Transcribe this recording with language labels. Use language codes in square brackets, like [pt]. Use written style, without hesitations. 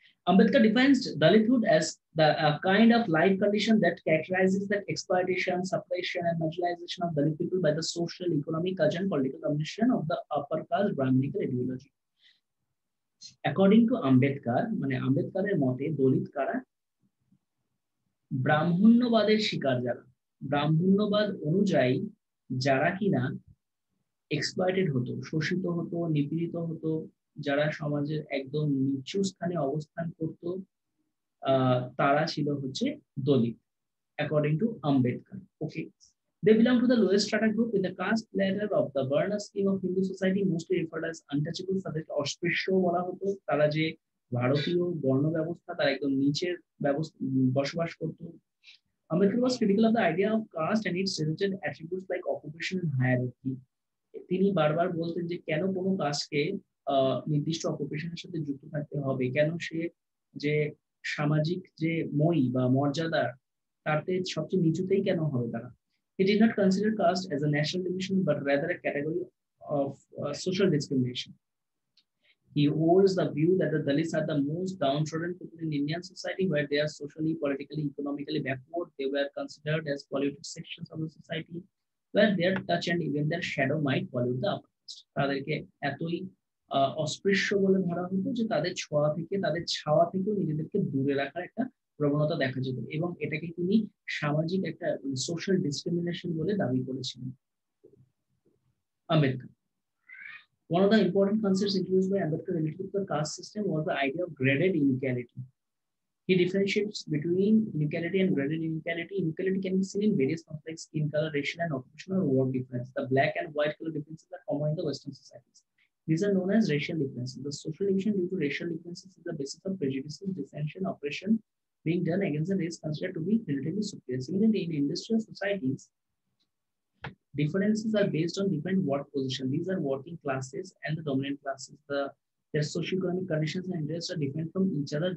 [en] Ambedkar defines Dalithhood as the kind of life condition that characterizes the exploitation, suppression, and marginalization of Dalit people by the social, economic, culture, and political domination of the upper class Brahminical ideology. According to Ambedkar, [bn] মানে আম্বেদকারের মতে দলিত কারা? ব্রাহ্মণ্যবাদের শিকার যারা, ব্রাহ্মণ্যবাদ অনুযায়ী যারা কিনা এক্সপ্লয়টেড হতো, শোষিত হতো, নিপীড়িত হতো, যারা সমাজের একদম নিচু স্থানে অবস্থান করত তারা ছিল হচ্ছে দলিত, [en] According to Ambedkar. Okay, they belong to the lowest strata group in the caste ladder of the varna scheme of Hindu society, mostly referred as untouchable, [bn] তাদেরকে অস্পৃশ্য বলা হতো, তারা যে ভারতীয় বর্ণ ব্যবস্থা তারা একদম নিচের ব্যবস্থা বসবাস করত। [en] Ambedkar was critical of the idea of caste and its related attributes like occupation and hierarchy. [bn] তিনি বারবার বলতেন যে কেন কোনো কাস্টকে নির্দিষ্ট অকুপেশনের সাথে যুক্ত থাকতে হবে, কেন সে যে সামাজিক যে মই বা মর্যাদা তারতে সবচেয়ে নিচুতেই কেন হবে তারা। [en] He did not consider caste as a national division but rather a category of social discrimination. He holds the view that the Dalits are the most downtrodden people in Indian society where they are socially, politically, economically backward. They were considered as polluted sections of the society where their touch and even their shadow might pollute the upper caste. [bn] তাদেরকে এতই অস্পৃশ্য বলে ধরা হতো যে তাদের ছোঁয়া থেকে, তাদের ছাওয়া থেকেও নিজেদেরকে দূরে রাখার একটা প্রবণতা দেখা যেত এবং এটাকে তিনি সামাজিক একটা সোশ্যাল ডিসক্রিমিনেশন বলে দাবি করেছিলেন Ambedkar. [en] One of the important concepts introduced by Ambedkar related to the caste system was the idea of graded inequality. He differentiates between inequality and graded inequality. Inequality can be seen in various forms like skin colour, racial and occupational word difference. The black and white colour differences are common in the western societies. These are known as racial differences. The social division due to racial differences is the basis of prejudices, dissension, oppression being done against the race considered to be relatively superior. Similarly, in industrial societies, differences are based on different work positions. These are working classes and the dominant classes. Their socioeconomic conditions and interests are different from each other.